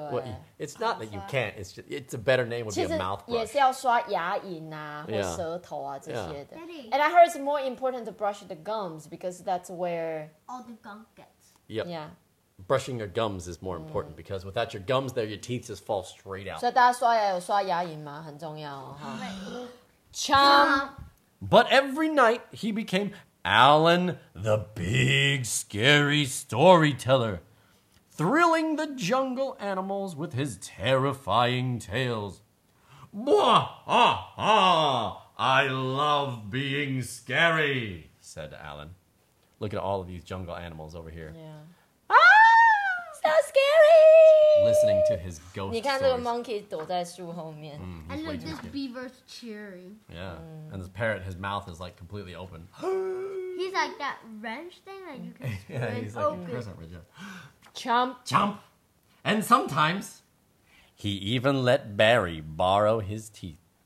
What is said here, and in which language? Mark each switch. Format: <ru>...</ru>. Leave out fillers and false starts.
<en>Well, it's not that you can't. It's just, it's a better name would be a mouth brush.</en> <zh>其实也是要刷牙龈啊，或舌头啊，这些的。</zh> <en>And I heard it's more important to brush the gums because that's where... All the gunk gets. Yep. Yeah. brushing your gums is more important mm. because without your gums there, your teeth just fall straight out.</en> <zh>So, 大家刷牙有刷牙龈吗? 很重要。Chum!</zh> <en>But every night, he became Alan, the big, scary storyteller, thrilling the jungle animals with his terrifying tales. Mwah! Ah! Ah! I love being scary, said Alan. Look at all of these jungle animals over here. Yeah. Ah! So scary! Listening to his ghost stories.</en> <zh>你看这个 monkey 躲在树后面。</zh> <en>And look, this beaver's cheering. Yeah. Mm. And this parrot, his mouth is like completely open. He's like that wrench thing that you can yeah, he's like open. A crescent wrench. Chomp. Chomp. And sometimes, he even let Barry borrow his teeth.</en>